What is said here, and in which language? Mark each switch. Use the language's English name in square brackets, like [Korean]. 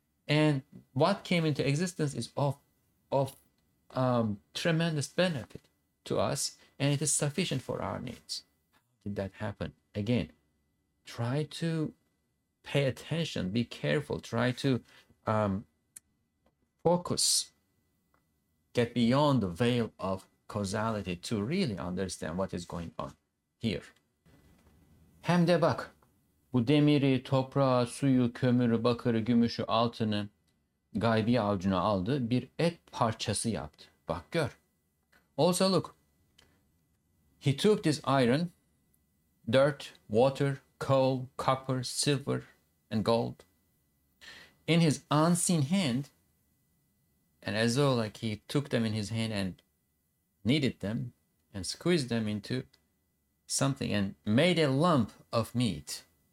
[English] And what came into existence is of tremendous benefit to us, and it is sufficient for our needs. How did that happen? Again, try to pay attention, be careful, try to focus. Get beyond the veil of causality to really understand what is going on here. [Turkish] Hem de bak, bu demiri, toprağı, suyu, kömürü, bakırı, gümüşü, altını gaybi avcuna aldı, bir et parçası yaptı. Bak gör. [English] Also look, he took this iron, dirt, water, coal, copper, silver, and gold. In his unseen hand, and as though like he took them in his hand and kneaded them and squeezed them into something and made a lump of meat.